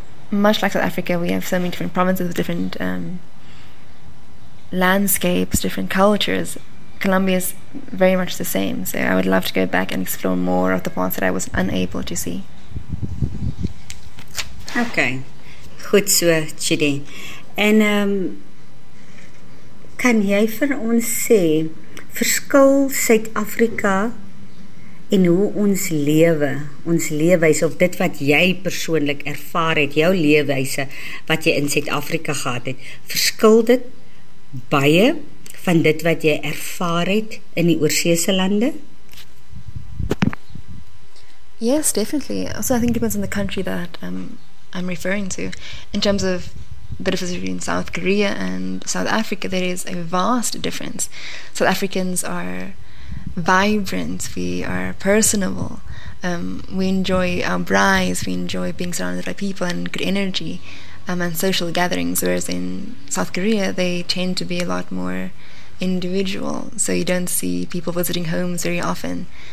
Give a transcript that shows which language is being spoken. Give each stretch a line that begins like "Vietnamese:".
English: Much like South Africa, we have so many different provinces with different landscapes, different cultures. Colombia is very much the same, so I would love to go back and explore more of the parts that I was unable to see.
Afrikaans: Okay, goed so, Chidi. En kan jy vir ons sê, verskil Suid-Afrika en hoe ons leefwyse, of dit wat jy persoonlik ervaar het, jou leefwyse wat jy in Suid-Afrika gehad het, verskil dit baie van dit wat jy ervaar het in die oorseese lande?
English: Yes, definitely. Also, I think it depends on the country that I'm referring to. In terms of the difference between South Korea and South Africa, there is a vast difference. South Africans are vibrant, we are personable, we enjoy our braais, we enjoy being surrounded by people and good energy and social gatherings, whereas in South Korea, they tend to be a lot more individual, so you don't see people visiting homes very often.